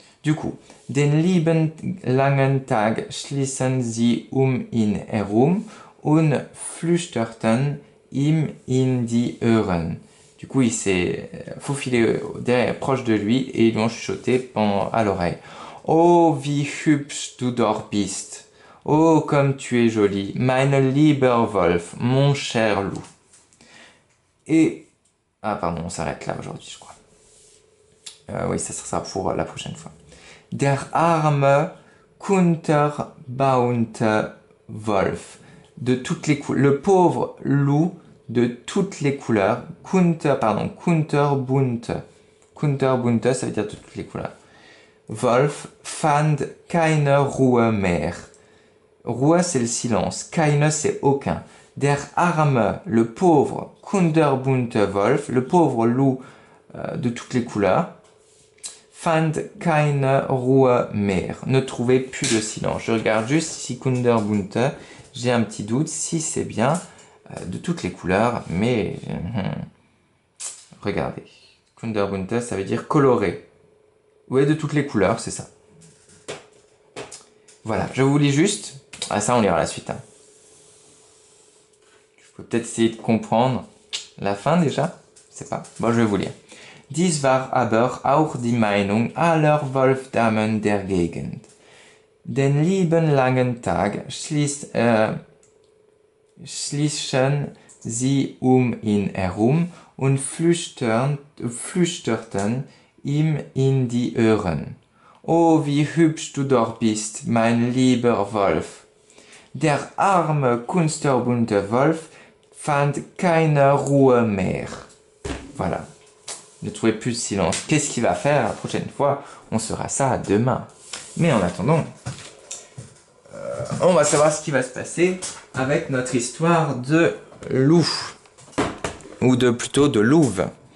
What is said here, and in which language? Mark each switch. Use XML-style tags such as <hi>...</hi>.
<fr>Du coup,</fr> <de>den lieben langen Tag schließen sie ihn herum und flüsterten ihm in die Ohren.</de> <fr>Du coup, il s'est faufilé derrière, proche de lui et ils lui ont chuchoté à l'oreille.</fr> <de>Oh, wie hübsch du doch bist.</de> <fr>Oh, comme tu es joli.</fr> <de>Mein lieber Wolf,</de> <fr>mon cher loup. Ah, pardon, on s'arrête là aujourd'hui, je crois. Oui, ça sera pour la prochaine fois.</fr> <de>Der arme Kunterbaunte Wolf.</de> <fr>Le pauvre loup de toutes les couleurs. Kunterbunte. Kunterbunte, ça veut dire de toutes les couleurs.</fr> <de>Wolf fand keine Ruhe mehr.</de> <fr>Ruhe, c'est le silence. Keine, c'est aucun.</fr> <de>Der arme,</de> <fr>le pauvre Kunterbunte Wolf. Le pauvre loup de toutes les couleurs.</fr> <de>Fand keine Ruhe mehr.</de> <fr>Ne trouvez plus de silence. Je regarde juste si Kunterbunte. J'ai un petit doute si c'est bien de toutes les couleurs, mais regardez. Kunterbunte, ça veut dire coloré. Oui, de toutes les couleurs, c'est ça. Voilà, je vous lis juste. Ah, ça, on lira la suite. Hein. Faut peut-être essayer de comprendre la fin déjà. Je sais pas. Bon, je vais vous lire.</fr> <de>Dies war aber auch die Meinung aller Wolfdamen der Gegend. Den lieben langen Tag schlichen sie ihn herum und flüsterten ihm in die Ohren. Oh, wie hübsch du doch bist, mein lieber Wolf. Der arme, kunterbunte Wolf fand keine Ruhe mehr.</de> <fr>Voilà. Ne trouvez plus de silence. Qu'est-ce qu'il va faire la prochaine fois? On saura ça demain. Mais en attendant, on va savoir ce qui va se passer avec notre histoire de loup. ou de plutôt de louve.</fr>